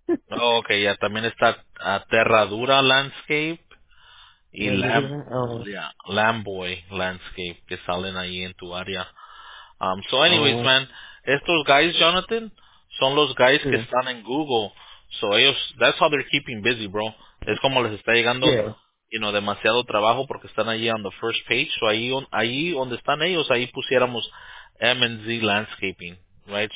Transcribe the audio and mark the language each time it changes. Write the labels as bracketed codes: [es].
[es] Okay, ya, también está Terradura Landscape y Lamboy Landscape, que salen ahí en tu área. [en] So anyways, man, [es] estos guys, Jonathan, son los guys que están en Google. [en] So ellos, that's how they're keeping busy, bro. [es] Es como les está llegando, [en] you know, [es] demasiado trabajo porque están allí [en] on the first page. [es] So ahí donde están ellos, ahí pusiéramos M&Z Landscaping, right?